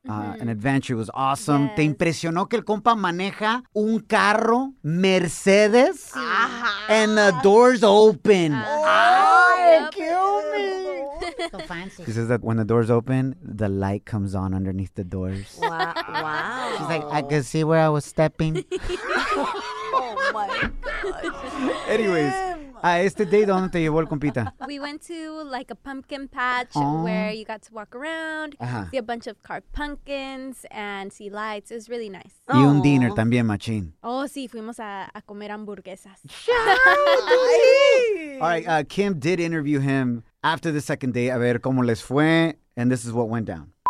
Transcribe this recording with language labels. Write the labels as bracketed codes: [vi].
[en] An adventure. It was awesome. Yes. [es] Te impresionó que el compa maneja un carro Mercedes? [en] And the doors open. So fancy. She says that when the doors open, the light comes on underneath the doors. Wow. She's like, I could see where I was stepping. Oh my gosh. [es] Anyways, este day, ¿dónde te llevó el compita? [en] We went to like a pumpkin patch where you got to walk around, see a bunch of carved pumpkins and see lights. It was really nice. [es] Y un dinner también, machín. Oh, sí, fuimos a comer hamburguesas. [en] All right, Kim did interview him after the second date, [es] a ver cómo les fue, [en] and this is what went down.